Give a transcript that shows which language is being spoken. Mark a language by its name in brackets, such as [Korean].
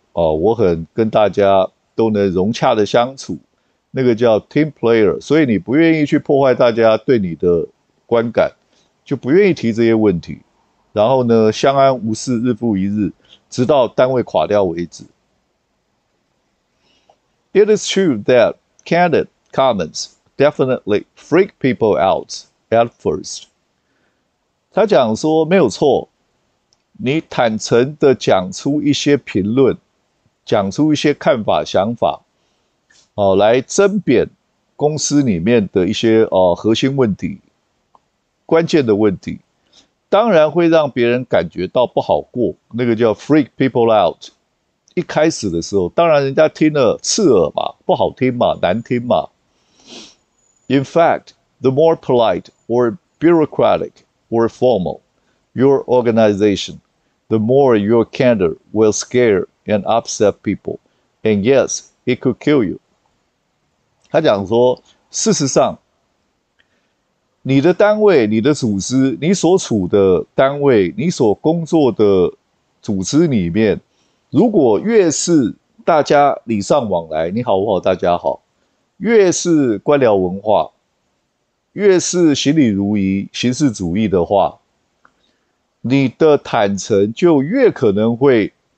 [Chinese] 哦，我很跟大家都能融洽的相处，那个叫 team player，所以你不愿意去破坏大家对你的观感，就不愿意提这些问题，然后呢，相安无事，日复一日，直到单位垮掉为止。 [English] It is true that candid comments definitely freak people out at first。 [Chinese] 他讲说没有错，你坦诚的讲出一些评论。讲出一些看法、想法，来争辩公司里面的一些核心问题、关键的问题，当然会让别人感觉到不好过。那个叫 [English] freak people out， [Chinese] 一开始的时候，当然人家听了刺耳嘛，不好听嘛，难听嘛。 [English] In fact, the more polite or bureaucratic or formal your organization, the more your candor will scare。 And upset people, and yes, it could kill you. [Chinese] 他讲说，事实上，你的单位、你的组织、你所处的单位、你所工作的组织里面，如果越是大家礼尚往来，你好，我好，大家好，越是官僚文化，越是行礼如仪、形式主义的话，你的坦诚就越可能会。